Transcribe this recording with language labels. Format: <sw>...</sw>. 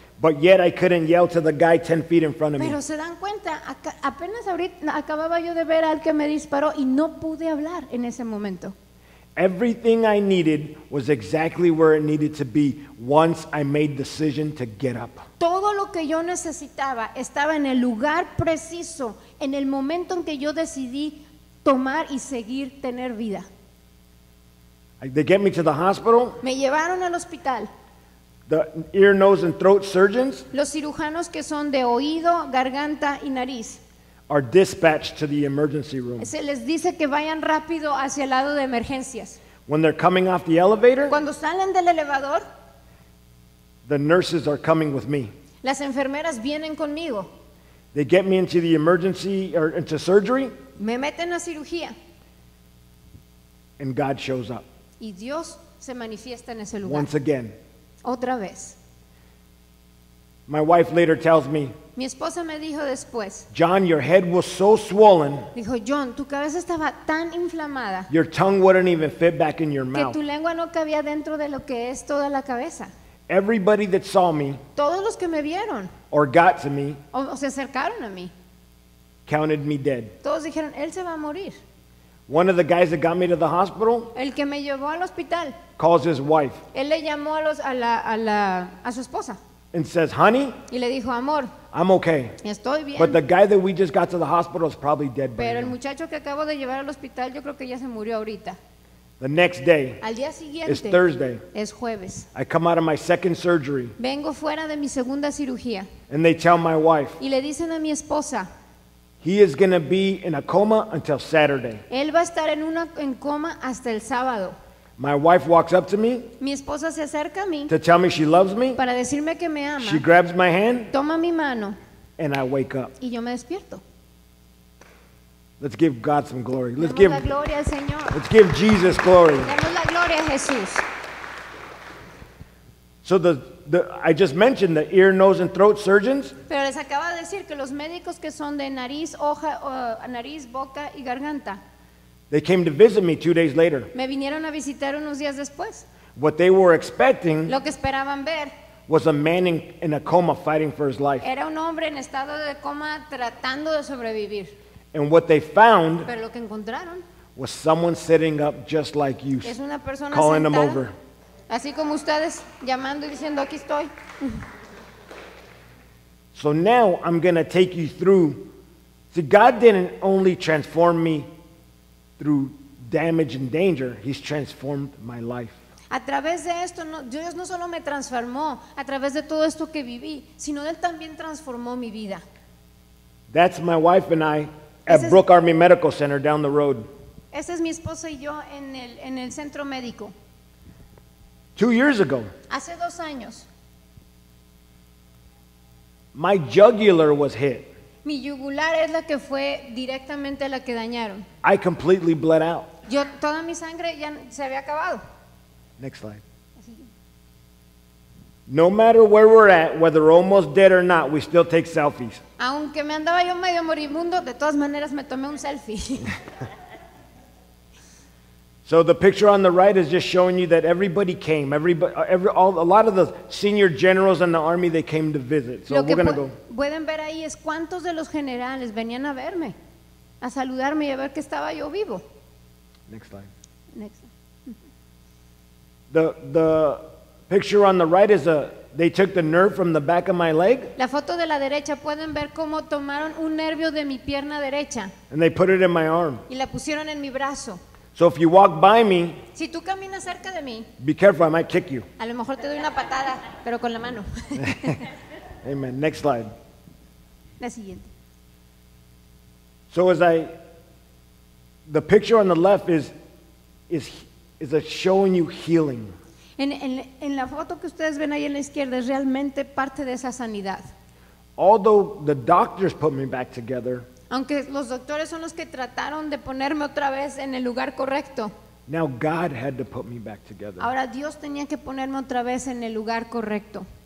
<en>But yet I couldn't yell to the guy 10 feet in front of me.</en> <es>Pero se dan cuenta, apenas ahorita acababa yo de ver al que me disparó y no pude hablar en ese momento.</es> <en>Everything I needed was exactly where it needed to be once I made the decision to get up.</en> <es>Todo lo que yo necesitaba estaba en el lugar preciso en el momento en que yo decidí tomar y seguir tener vida.</es> <en>They get me to the hospital.</en> <es>Me llevaron al hospital.</es> <en>The ear, nose, and throat surgeons.</en> <es>Los cirujanos que son de oído, garganta y nariz.</es> <en>Are dispatched to the emergency room.</en> <es>Se les dice que vayan rápido hacia el lado de emergencias.</es> <en>When they're coming off the elevator.</en> <es>Cuando salen del elevador.</es> <en>The nurses are coming with me.</en> <es>Las enfermeras vienen conmigo.</es> <en>They get me into the emergency or into surgery.</en> <es>Me meten a cirugía.</es> <en>And God shows up.</en> <es>Y Dios se manifiesta en ese lugar.</es> <en>Once again.</en> <es>Otra vez.</es> <en>My wife later tells me.</en> <es>Mi esposa me dijo después.</es> <en>John, your head was so swollen.</en> <es>Dijo, John, tu cabeza estaba tan inflamada.</es> <en>Your tongue wouldn't even fit back in your mouth.</en> <es>Que tu lengua no cabía dentro de lo que es toda la cabeza.</es> <en>Everybody that saw me.</en> <es>Todos los que me vieron.</es> <en>Or got to me.</en> <es>O se acercaron a mí.</es> <en>Counted me dead.</en> <es>Todos dijeron, él se va a morir.</es> <en>One of the guys that got me to the hospital.</en> <es>El que me llevó al hospital.</es> <en>Calls his wife.</en> <es>Él le llamó a su esposa.</es> <en>And says, honey.</en> <es>Y le dijo, amor.</es> <en>I'm okay.</en> <es>Estoy bien.</es> <en>But the guy that we just got to the hospital is probably dead by</en> <es>Pero</es> <en>now.</en> <es>El muchacho que acabo de llevar al hospital, yo creo que ya se murió ahorita.</es> <en>The next day.</en> <es>Al día siguiente.</es> <en>Is Thursday.</en> <es>Es jueves.</es> <en>I come out of my second surgery.</en> <es>Vengo fuera de mi segunda cirugía.</es> <en>And they tell my wife.</en> <es>Y le dicen a mi esposa.</es> <en>He is going to be in a coma until Saturday.</en> <es>Él va a estar en coma hasta el sábado.</es> <en>My wife walks up to me.</en> <es>Mi esposa se acerca a mí.</es> <en>To tell me she loves me.</en> <es>Para decirme que me ama.</es> <en>She grabs my hand.</en> <es>Toma mi mano.</es> <en>And I wake up.</en> <es>Y yo me despierto.</es> <en>Let's give God some glory. Let's</en> <es>Demos give la gloria al Señor.</es> <en>Let's give Jesus glory.</en> <es>Demos la gloria a Jesús.</es> <en>So the I just mentioned the ear, nose, and throat surgeons.</en> <es>Pero les acabo de decir que los médicos que son de nariz, nariz, boca y garganta.</es> <en>They came to visit me 2 days later.</en> <es>Me vinieron a visitar unos días después.</es> <en>What they were expecting.</en> <es>Lo que esperaban ver.</es> <en>Was a man in a coma fighting for his life.</en> <es>Era un hombre en estado de coma tratando de sobrevivir.</es> <en>And what they found.</en> <es>Pero lo que encontraron.</es> <en>Was someone sitting up just like you.</en> <es>Es una persona</es> <en>calling</en> <es>sentada,</es> <en>them over.</en> <es>Así como ustedes llamando y diciendo aquí estoy.</es> <en>So now I'm going to take you through. See, God didn't only transform me through damage and danger. He's transformed my life.</en> <es>A través de esto, Dios no solo me transformó a través de todo esto que viví, sino Él también transformó mi vida.</es> <en>That's my wife and I at Brook Army Medical Center down the road.</en> <es>Esa es mi esposa y yo en el centro médico.</es> <en>2 years ago.</en> <es>Hace 2 años.</es> <en>My jugular was hit.</en> <es>Mi yugular es la que fue directamente la que dañaron.</es> <en>I completely bled out.</en> <es>Yo toda mi sangre ya se había acabado.</es> <en>Next slide. No matter where we're at, whether almost dead or not, we still take selfies.</en> <es>Aunque me andaba yo medio moribundo, de todas maneras me tomé un selfie.</es> <en>So the picture on the right is just showing you that everybody came. A lot of the senior generals in the army, they came to visit. So we're going to go.</en> <es>Pueden ver ahí es cuántos de los generales venían a verme, a saludarme y a ver que estaba yo vivo.</es> <en>Next slide. Next slide. The picture on the right is they took the nerve from the back of my leg.</en> <es>La foto de la derecha pueden ver cómo tomaron un nervio de mi pierna derecha.</es> <en>And they put it in my arm.</en> <es>Y la pusieron en mi brazo.</es> <en>So if you walk by me,</en> <es>si tú caminas cerca de mí,</es> <en>be careful, I might kick you.</en> <es>A lo mejor te doy una patada, pero con la mano.</es> <en>Amen. Next slide.</en> <es>La siguiente.</es> <en>So as the picture on the left is showing you healing.</en> <es>En la foto que ustedes ven ahí en la izquierda es realmente parte de esa sanidad.</es> <en>Although the doctors put me back together,</en> <es>Aunque los doctores son los que trataron de ponerme otra vez en el lugar correcto.</es> <en>Now God had to put me back together.</en> <es>Ahora Dios tenía que ponerme otra vez en el lugar correcto.</es>